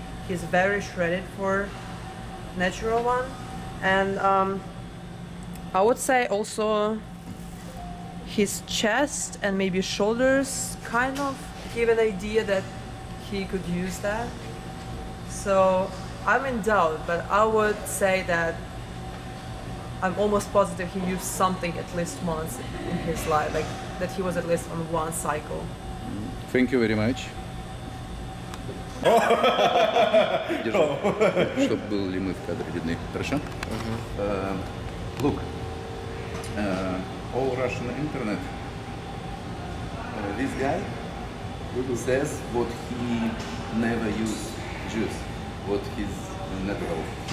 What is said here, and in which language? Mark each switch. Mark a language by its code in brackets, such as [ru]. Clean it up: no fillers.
[en] He's very shredded for natural one. And I would say also his chest and maybe shoulders kind of give an idea that he could use that. So I'm in doubt, but I would say that I'm almost positive he used something at least once in his life, like that he was at least on one cycle. Thank you very much. [ru] Держи, чтобы были мы в кадре видны. Хорошо? [en] Look, all Russian internet, this guy says what he never used juice, what his natural.